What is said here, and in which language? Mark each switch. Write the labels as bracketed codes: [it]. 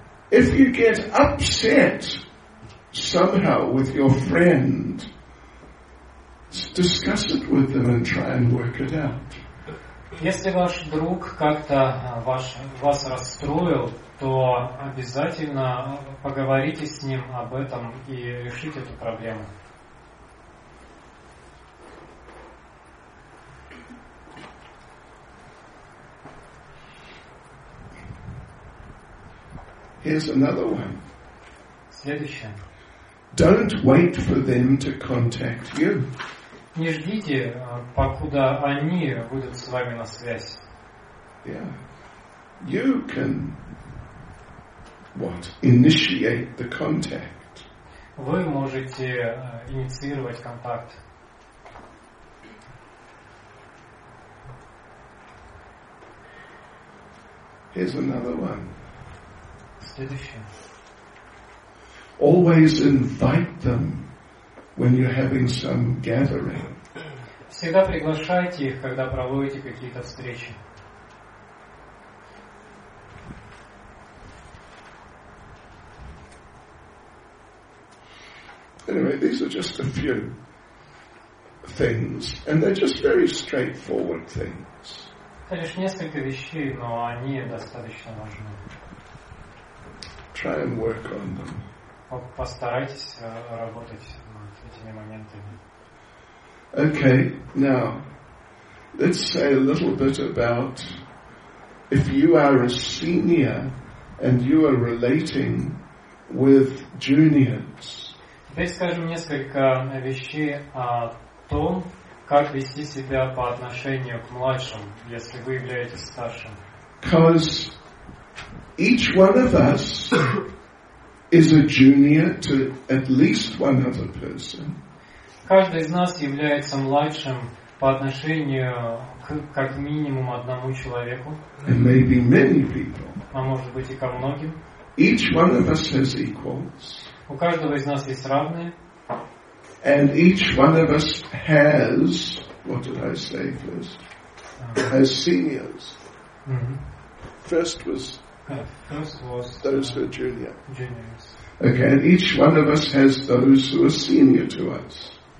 [en] If you get upset somehow with your friend, discuss it with them and try and work it out. [ru] Если ваш друг как-то вас расстроил, то обязательно поговорите с ним об этом и решите эту проблему. [en] Here's another one. [ru] Следующее. [en] Don't wait for them to contact you. [ru] Не ждите, покуда они выйдут с вами на связь. [en] Yeah. You can what? Initiate the contact. [ru] Вы можете инициировать контакт. [en] Here's another one. [ru] Следующее. [en] Always invite them when you're having some gathering. [ru] Всегда приглашайте их, когда проводите какие-то встречи. [en] Anyway, these are just a few things, and they're just very straightforward things. [ru] Это лишь несколько вещей, но они достаточно важны. [en] Try and work on them. [ru] Постарайтесь работать над этими моментами. [en] Okay, now, let's say a little bit about if you are a senior and you are relating with juniors. [ru] Теперь скажем несколько вещей о том, как вести себя по отношению к младшим, если вы являетесь старшим. [en] Because each one of us is a junior to at least one other person. [ru] Каждый из нас является младшим по отношению к как минимум одному человеку. [en] And maybe many people. [ru] А может быть и ко многим. [en] Each one of us has equals. [ru] У каждого из нас есть равные. [en] And each one of us has, what did I say first? Has seniors. Mm-hmm. First was those who are junior. Juniors. Okay, and each one of us has those who are senior to us.